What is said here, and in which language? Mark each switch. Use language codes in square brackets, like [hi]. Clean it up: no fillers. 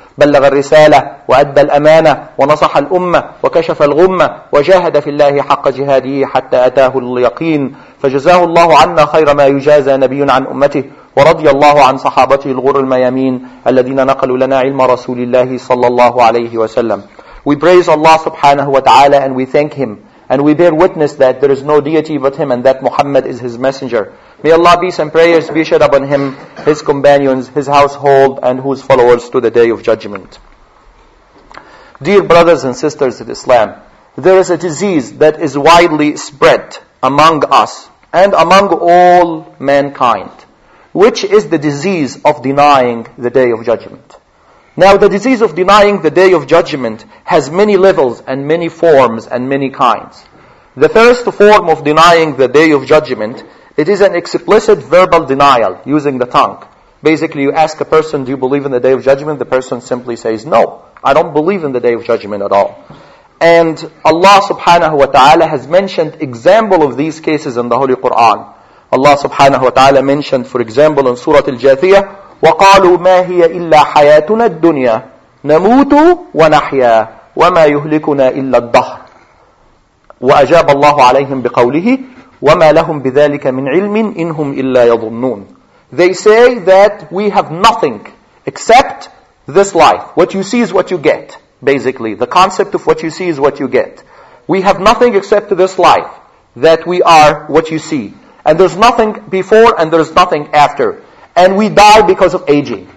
[ar] بلغ الرسالة وأدى الأمانة ونصح الأمة وكشف الغمة وجاهد في الله حق جهاده حتى أتاه اليقين. فجزاه الله عنا خير ما يجازى نبي عن أمته، ورضي الله عن صحابته الغر الميامين الذين نقلوا لنا علم رسول الله صلى الله عليه وسلم. [en] We praise Allah subhanahu wa ta'ala and we thank Him and we bear witness that there is no deity but Him and that Muhammad is His messenger. May Allah peace and prayers be shed upon him, his companions, his household, and whose followers to the day of judgment. Dear brothers and sisters in Islam, there is a disease that is widely spread among us and among all mankind, which is the disease of denying the day of judgment. Now, the disease of denying the day of judgment has many levels and many forms and many kinds. The first form of denying the day of judgment, it is an explicit verbal denial using the tongue. Basically, you ask a person, do you believe in the day of judgment? The person simply says, no, I don't believe in the day of judgment at all. And Allah subhanahu wa ta'ala has mentioned example of these cases in the Holy Quran. Allah subhanahu wa ta'ala mentioned, for example, in Surah Al-Jathiyah, [ar] وَقَالُوا مَا هِيَ إِلَّا حَيَاتُنَا الدُّنْيَا نَمُوتُ وَنَحْيَا وَمَا يُهْلِكُنَا إِلَّا الدَّهْرِ وَأَجَابَ اللَّهُ عَلَيْهِمْ بِقَوْلِهِ وَمَا لَهُمْ بِذَٰلِكَ مِنْ عِلْمٍ إِنْهُمْ إِلَّا يَظُنُّونَ. [en] They say that we have nothing except this life. What you see is what you get, basically. The concept of what you see is what you get. We have nothing except this life, that we are what you see. And there's nothing before and there's nothing after. And we die because of aging.